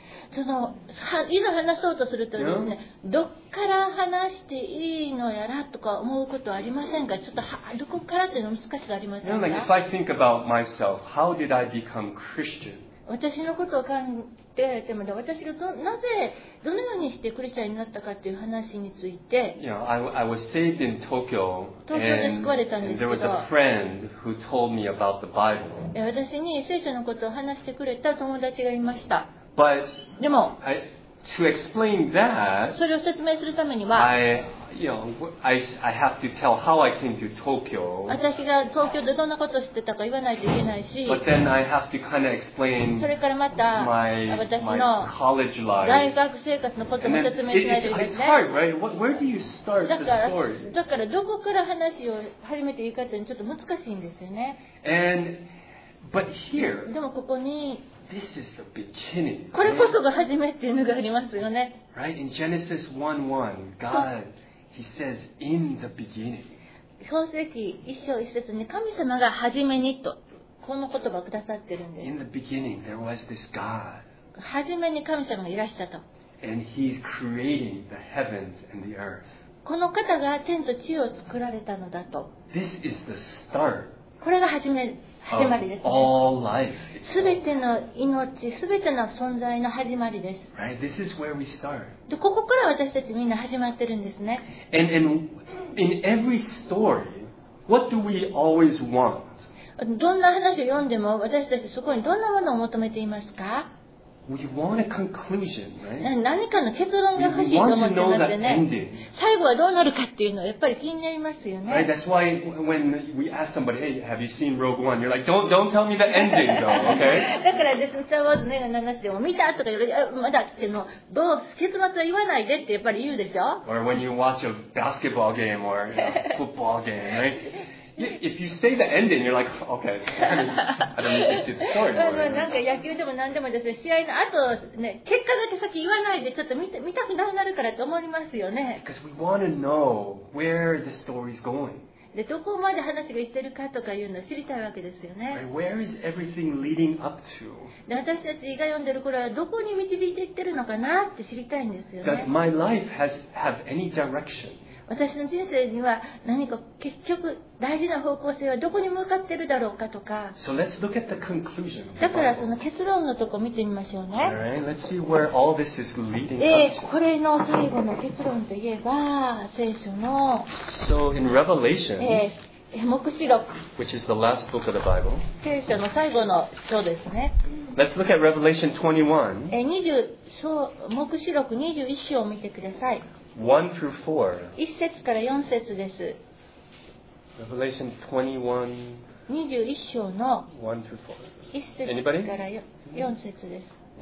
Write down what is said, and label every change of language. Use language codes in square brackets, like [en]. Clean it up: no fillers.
[ja] そのいざ話そうとするとですね、どっから話していいのやらとか思うことはありませんか？ちょっとどこからというの難しくありませんか？ [en] You know, like, if I think about myself, how did I become Christian? [ja] 私のことを考えていても、私がなぜどのようにしてクリスチャンになったかという話について、 [en] I was saved in Tokyo, [ja] 東京で救われたんですけど、 [en] there was a friend who told me about the Bible. [ja] 私に聖書のことを話してくれた友達がいました。 [en] But [ja] でも、 [en] to explain that, [ja] それを説明するためには、 [en] I have to tell how I came to Tokyo. [ja] 私が東京でどんなことを知ってたか言わないといけないし、 [en] But then I have to kind of explain [ja] それからまた私の [en] college life. [ja] 大学生活のことも説明しないといけない。 [en] It's hard, right? Where do you start the story? [ja] だからどこから話を始めていいかというのはちょっと難しいんですよね。 [en] And, but here, [ja] でもここに、 [en] This is the beginning. [ja] これこそが始めっていうのがありますよね。 [en] Right in Genesis 1:1, God, He says, in the beginning. [ja] 創世記一章一節に神様が始めにとこの言葉をくださってるんです。 [en] In the beginning, there was this God. [ja] 始めに神様がいらしたと。 [en] And He's creating the heavens and the earth. [ja] この方が天と地を作られたのだと。 [en] This is the start. [ja] これが始め。始まりですね。 [en] All life. [ja] 全ての命、全ての存在の始まりです。 [en] Right? This is where we start. [ja] で、ここから私たちみんな始まってるんですね。 [en] And in every story, what do we always want? [ja] どんな話を読んでも私たちそこにどんなものを求めていますか？ [en] We want a conclusion, right? [ja] 何かの結論が欲しいと思ってますね。 [en] We want to know that ending. [ja] 最後はどうなるかっていうのはやっぱり気になりますよね。 [en] Right? That's why when we ask somebody, hey, have you seen Rogue One? You're like, don't tell me the ending, though, okay? [ja] だからですね、スターウォーズの映画の話でも見たとか言われて、まだっていうのどう結末は言わないでってやっぱり言うでしょ。 [en] Or when you watch a basketball game or football game, right? If you say the ending, you're like, okay, I don't need to see the story. [ja] まあまあなんか野球でも何でもですね、試合の後ね、結果だけ先言わないでちょっと見たくなくなるからと思いますよね。 [en] Because we want to know where the story's going. [ja] でどこまで話が行ってるかとかいうのを知りたいわけですよね。 [en] Where is everything leading up to? [ja] で私たちが読んでるこれはどこに導いていってるのかなって知りたいんですよね。 [en] Does my life have any direction? [ja] 私の人生には何か結局大事な方向性はどこに向かっているだろうかとか。 [en] So let's look at the conclusion. [ja] だからその結論のとこ見てみましょうね。 [en] Alright, let's see where all this is leading up to. [ja] これの最後の結論といえば、聖書の。 [en] So in Revelation. [ja] 黙示録。 [en] Which is the last book of the Bible. [ja] 聖書の最後の書ですね。 [en] Let's look at Revelation 21. [ja] 黙示録21章を見てください。 [en] 1 through 4. [ja] 一節から四節です。 [en] Revelation 21. [ja] 二十一章の。 [en] 1 through 4. [ja] 一節から四節です。